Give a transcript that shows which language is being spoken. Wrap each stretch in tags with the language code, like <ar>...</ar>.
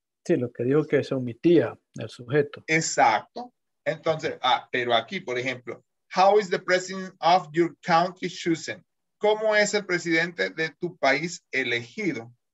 <es>Sí, lo que dijo que es omitía el sujeto. Exacto. Entonces, pero aquí, por ejemplo,</es> <en>How is the president of your country chosen?</en> <es>¿Cómo es el presidente de tu país elegido?</es>